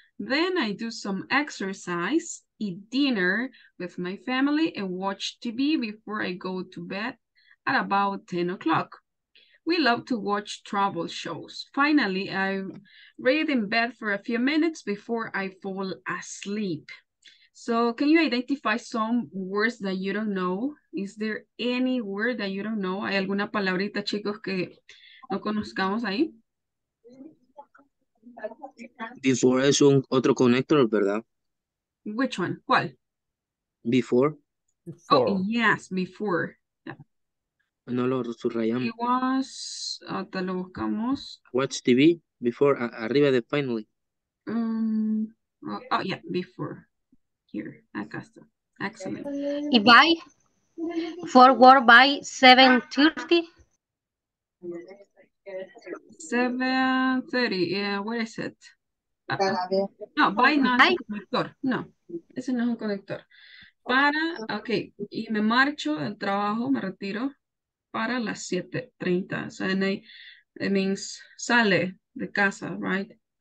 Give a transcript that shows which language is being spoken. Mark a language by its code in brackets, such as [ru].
[en] Then I do some exercise, eat dinner with my family, and watch TV before I go to bed at about 10 o'clock. We love to watch travel shows. Finally, I read in bed for a few minutes before I fall asleep. So can you identify some words that you don't know? Is there any word that you don't know? [es] ¿Hay alguna palabrita, chicos, que no conozcamos ahí? Before es un otro conector, ¿verdad? [en] Which one? ¿Cuál? Before. Oh, yes, before. Yeah. [es] No lo subrayamos. [en] It was, [es] te lo buscamos. [en] Watch TV, before, [es] arriba de [en] finally. Yeah, before. Here, [es] acá está. [en] Excellent. Y by, forward by 7:30. 7:30, yeah, where is it? [es] No, by no es un conector. No, ese no es un conector. Para, ok, y me marcho del trabajo, me retiro para las 7:30. [en] So, and it means [es] sale de casa, [en] right?